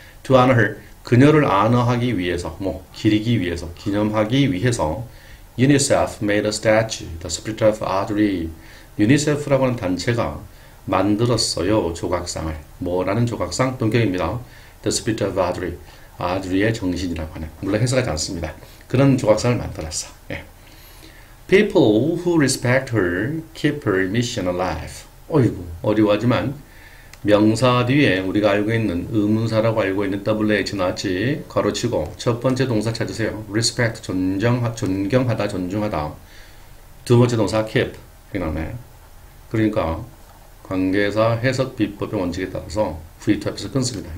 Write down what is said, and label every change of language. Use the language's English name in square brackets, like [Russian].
[English] To honor her, [Korean] 그녀를 안어하기 위해서, 뭐 기리기 위해서, 기념하기 위해서 [English] UNICEF made a statue, the spirit of Audrey. [Korean] UNICEF라고 하는 단체가 만들었어요. 조각상을. 뭐라는 조각상? 동격입니다. [English] The spirit of Audrey. [Korean] 아드리의 정신이라고 하는. 물론 해석하지 않습니다. 그런 조각상을 만들었어. 예. [English] People who respect her keep her mission alive. [Korean] 어이구, 어려워하지만 명사 뒤에 우리가 알고 있는 의문사라고 알고 있는 WH 나왔지. 괄호치고 첫 번째 동사 찾으세요. Respect, 존경하다, 존중하다. 두 번째 동사 keep, 생각나요? 그러니까 관계사 해석 비법의 원칙에 따라서 V2 앞에서 끊습니다.